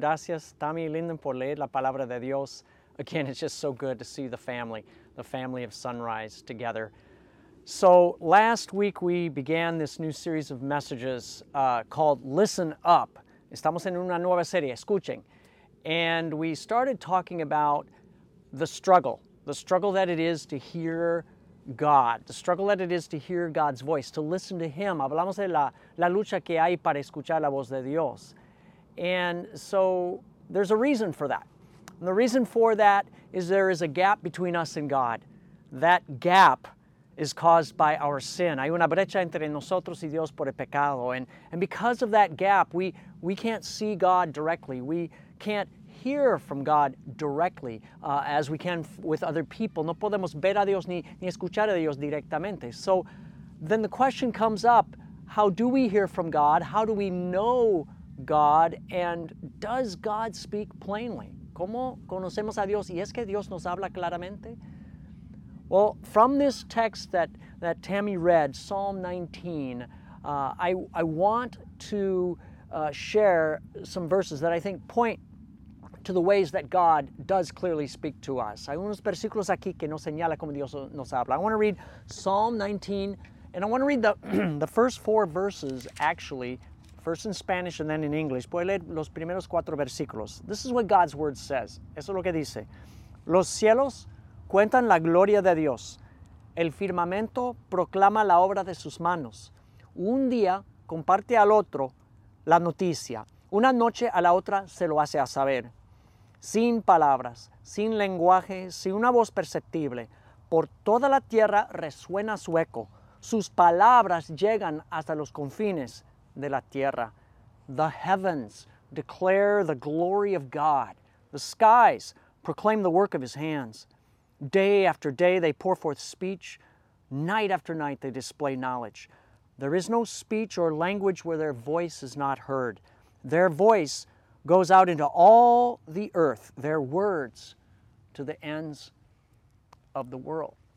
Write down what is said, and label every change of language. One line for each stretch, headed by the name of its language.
Spanish: Gracias, Tammy, Lyndon, por leer la palabra de Dios.
English: Again, it's just so good to see the family of Sunrise together. So last week we began this new series of messages called Listen Up.
Spanish: Estamos en una nueva serie, escuchen.
English: And we started talking about the struggle that it is to hear God, the struggle that it is to hear God's voice, to listen to Him.
Spanish: Hablamos de la lucha que hay para escuchar la voz de Dios.
English: And so there's a reason for that. And the reason for that is there is a gap between us and God. That gap is caused by our sin.
Spanish: Hay una brecha entre nosotros y Dios por el pecado.
English: And because of that gap, we can't see God directly. We can't hear from God directly as we can with other people.
Spanish: No podemos ver a Dios ni escuchar a Dios directamente.
English: So then the question comes up, how do we hear from God? How do we know God? And does God speak plainly?
Spanish: ¿Cómo conocemos a Dios? ¿Y es que Dios nos habla claramente?
English: Well, from this text that Tammy read, Psalm 19, I want to share some verses that I think point to the ways that God does clearly speak to us.
Spanish: Hay unos versículos aquí que nos señala cómo Dios nos habla.
English: I want to read Psalm 19, and I want to read the first four verses, actually, first in Spanish and then in English.
Spanish: Puede leer los primeros cuatro versículos.
English: This is what God's Word says.
Spanish: Eso es lo que dice. Los cielos cuentan la gloria de Dios. El firmamento proclama la obra de sus manos. Un día comparte al otro la noticia. Una noche a la otra se lo hace a saber. Sin palabras, sin lenguaje, sin una voz perceptible. Por toda la tierra resuena su eco. Sus palabras llegan hasta los confines de la tierra.
English: The heavens declare the glory of God. The skies proclaim the work of His hands. Day after day they pour forth speech. Night after night they display knowledge. There is no speech or language where their voice is not heard. Their voice goes out into all the earth, their words to the ends of the world.